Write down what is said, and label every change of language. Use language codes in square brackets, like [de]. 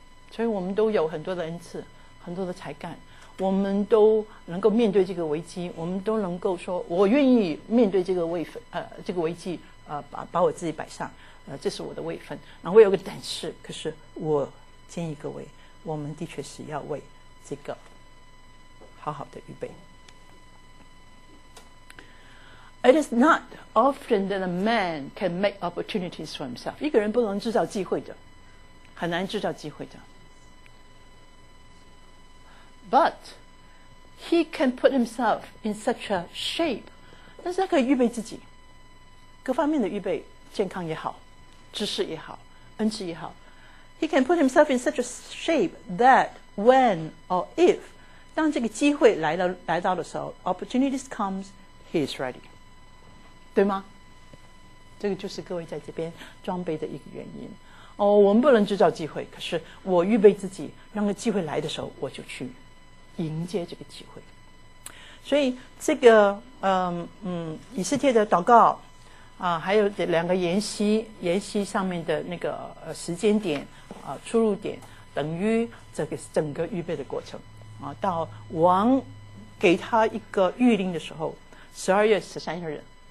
[zh] 所以我们都有很多的恩赐，很多的才干，我们都能够面对这个危机，我们都能够说我愿意面对这个危机，把我自己摆上，这是我的位分。然后我有个胆识，可是我建议各位，我们的确是要为这个好好的预备。 [en] It is not often that a man can make opportunities for himself. [zh] 一个人不能制造机会的，很难制造机会的。 [en] But he can put himself in such a shape. [zh] 但是他可以预备自己，各方面的预备，健康也好，知识也好，恩赐也好。 [en] He can put himself in such a shape that when or if [zh] 当这个机会来到的时候 [en] ，opportunities comes, he is ready. [zh] 对吗？这个就是各位在这边装备的一个原因。哦，我们不能制造机会，可是我预备自己，让个机会来的时候，我就去迎接这个机会。所以这个以斯帖的祷告啊，还有两个筵席上面的那个时间点啊，出入点，等于这个整个预备的过程啊，到王给他一个谕令的时候，12月13日。